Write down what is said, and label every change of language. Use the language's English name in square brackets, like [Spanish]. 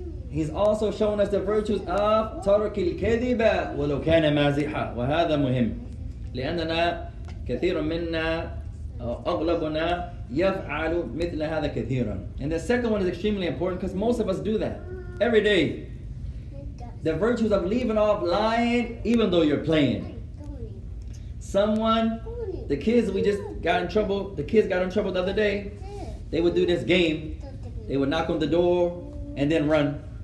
[English] He's also shown us the virtues of [Arabic] ترك الكذبة ولو كان مازحا. وهذا مهم. لأننا كثير منا أغلبنا يفعل مثل هذا كثيرا. [English] And the second one is extremely important because most of us do that every day. The virtues of leaving off lying even though you're playing. Someone, the kids, we just got in trouble. The kids got in trouble the other day. They would do this game. They would knock on the door and then run.